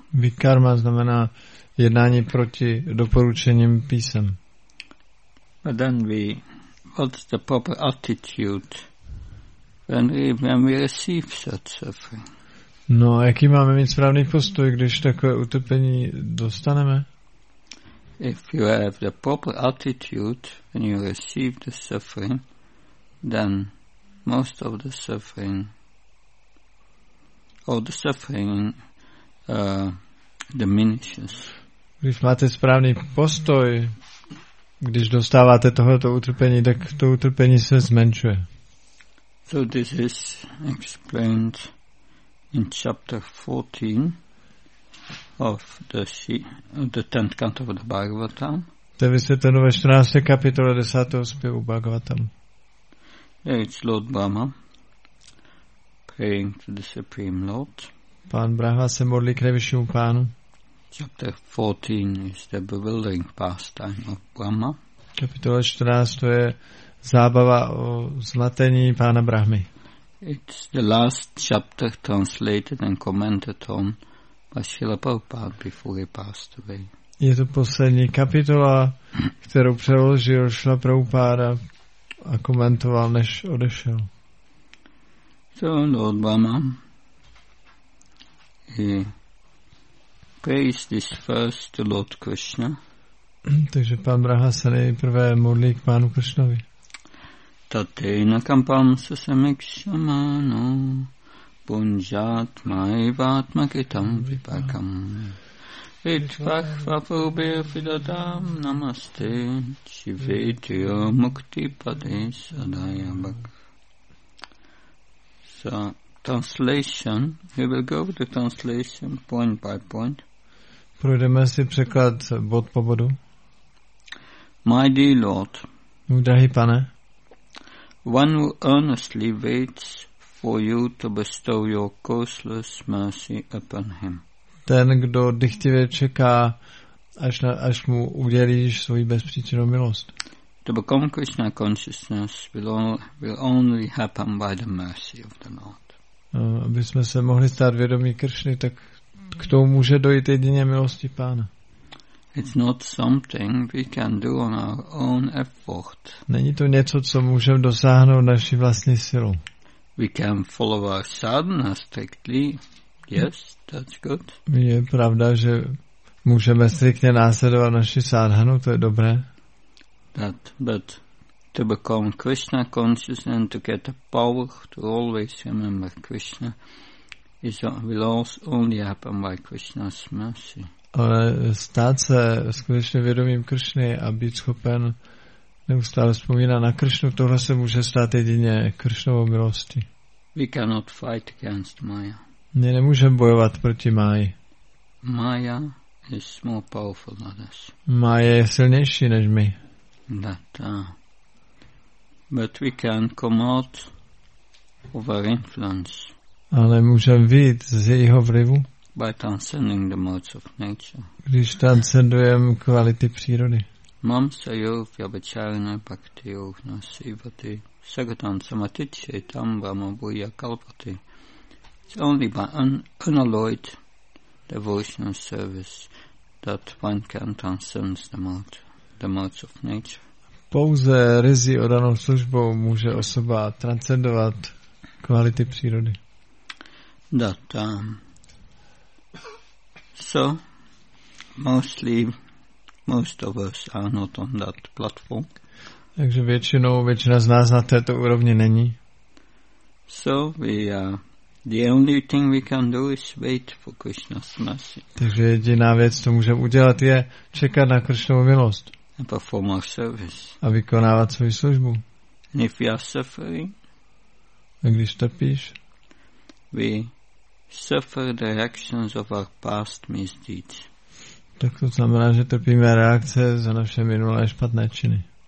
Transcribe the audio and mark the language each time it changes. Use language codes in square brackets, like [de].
[cs] Vikarma znamená jednání proti doporučením písem. [en] But then what's the proper attitude when we receive such suffering? [cs] No, jaký máme mít správný postoj, když takové utrpení dostaneme? [en] If you have the proper attitude when you receive the suffering, then most of the suffering, all the suffering, diminishes. [cs] Když máte správný postoj, když dostáváte tohleto utrpení, tak to utrpení se zmenšuje. [en] So this is explained in chapter 14. Of the tenth canto of the Bhagavatam. [cs] To je vysvětleno ve 14. kapitole 10. zpěvu Bhagavatam. [en] There is Lord Brahma praying to the Supreme Lord. [cs] Pán Brahma se modlí k nejvyššímu pánu. [en] Chapter 14 is the bewildering pastime of Brahma. [cs] Kapitola 14 je zábava o zmatení pána Brahmy. [en] It's the last chapter translated and commented on by Srila Prabhupada before he passed away. [cs] Je to poslední kapitola, kterou přeložil Srila Prabhupada a komentoval, než odešel. [en] So Lord Brahma, he prays this first to Lord Krishna. [cs] Takže pán Brahma se nejprve modlí k pánu Krishnovi. [sa] Tatena kampam sa samikshamano punjat mai vatmakitam vipakam itvah vapurbir filadam namaste shivetya mukti padesadaya bak. [en] So translation, we will go with the translation point by point. [cs] Projdeme si překlad bod po bodu. [en] My dear Lord, [cs] můj drahý pane, [en] one who earnestly waits for you to bestow your causeless mercy upon him. [cs] Ten, kdo dychtivě čeká, až mu udělíš svoji bezpříčinnou milost. [en] To become Krishna consciousness will only happen by the mercy of the Lord. [cs] Aby jsme se mohli stát vědomí Kršny, tak k tomu může dojít jedině milosti Pána. [en] It's not something we can do on our own effort. [cs] Není to něco, co můžeme dosáhnout naší vlastní silou. [en] We can follow our sadhana strictly. Yes, that's good. [cs] Je pravda, že můžeme striktně následovat naši sadhanu, to je dobré. [en] That, but to become Krishna conscious and to get the power to always remember Krishna will also only happen by Krishna's mercy. [cs] Ale stát se skutečně vědomím Krishny a být schopen neustále vzpomíná na Kršnu, tohle se může stát jedině Kršnovou milosti. [en] We cannot fight against Maya. [cs] My nemůžeme bojovat proti Maji. [en] Maya is more powerful than us. [cs] Maja je silnější než my. [en] That, but we can come out of our influence. [cs] Ale můžeme vyjít z jejího vlivu. [en] By transcending the modes of nature. [cs] Když transcendujeme kvality přírody. [sa] Mam sayov yabacharna bhakti yov na sivati sagatam samatit shetam vama buya kalpati. [en] It's only by unalloyed devotional service that one can transcend the modes of nature. [cs] pouze ryzí odanou službou může osoba transcendovat kvality přírody. [en] That so most of us are not on that platform. [cs] Takže většina z nás na této úrovni není. [en] So we the only thing we can do is wait for Krishna's mercy. [cs] Takže jediná věc, co můžeme udělat, je čekat na Krishnovu milost. [en] And perform our service. [cs] A vykonávat svou službu. [en] And if we are suffering, [cs] a když trpíš, [en] we suffer the reactions of our past misdeeds. [cs] Tak to znamená, že trpíme reakce za naše minulé špatné činy.